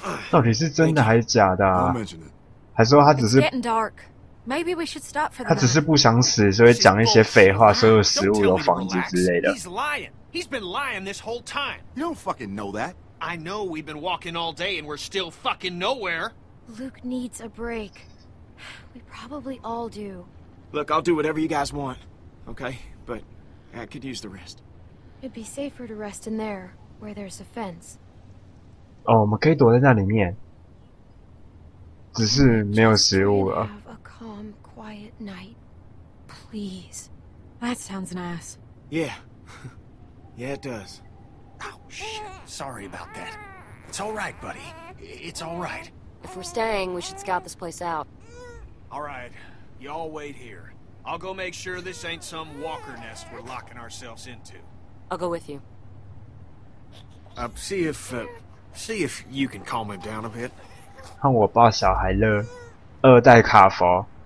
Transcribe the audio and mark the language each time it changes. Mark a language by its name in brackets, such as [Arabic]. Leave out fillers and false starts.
[Chinese] 到底是真的还是假的啊？还说他只是 [English] getting dark. Maybe we should stop for that. [Chinese] 他只是不想死，所以讲一些废话，所有食物、有房子之类的。 [English] He's lying. He's been lying this whole time. You don't fucking know that. I know we've been walking all day and we're still fucking nowhere. Luke needs a break. We probably all do. Look, I'll do whatever you guys want. Okay, but I could use the rest. It'd be safer to rest in there, where there's a fence. [Chinese] 哦，我们可以躲在那里面。只是没有食物了。 [English] Have a calm, quiet night, please. That sounds nice. Yeah, yeah, it does. Oh shit! Sorry about that. It's all right, buddy. It's all right. If we're staying, we should scout this place out. All right, y'all wait here. I'll go make sure this ain't some walker nest we're locking ourselves into. I'll go with you. See if you can calm him down a bit. [Chinese] 看我抱小孩了，二代卡佛。